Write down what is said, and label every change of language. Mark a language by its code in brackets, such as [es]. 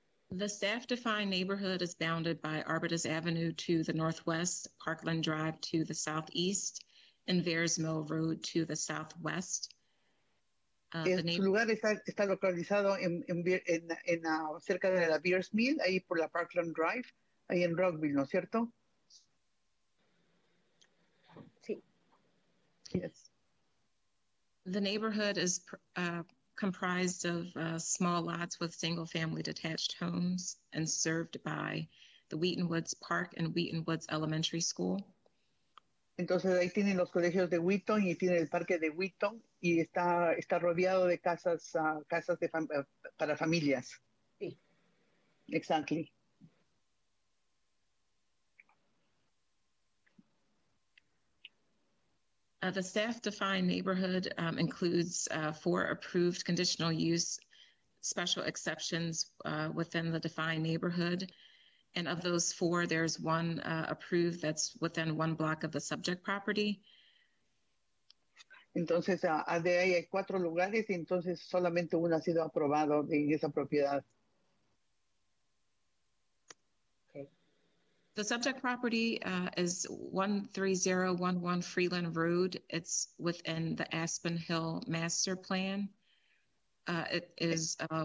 [en] The staff-defined neighborhood is bounded by Arbutus Avenue to the northwest, Parkland Drive to the southeast, and Vares Mill Road to the southwest. [es] Su lugar está localizado en cerca de la Vares Mill, ahí por la Parkland Drive, ahí en Rockville, ¿no es cierto? [en] Yes. The neighborhood is comprised of small lots with single-family detached homes and served by the Wheaton Woods Park and Wheaton Woods Elementary School. [es] Entonces ahí tienen los colegios de Wheaton y tienen el parque de Wheaton y está rodeado de casas de para familias. Sí. [en] Exactly. The staff-defined neighborhood includes four approved conditional use special exceptions within the defined neighborhood. And of those four, there's one approved that's within one block of the subject property. [es] Entonces, de ahí hay cuatro lugares, y entonces solamente uno ha sido aprobado en esa propiedad. [en] The subject property is 13011 Freeland Road. It's within the Aspen Hill Master Plan. It is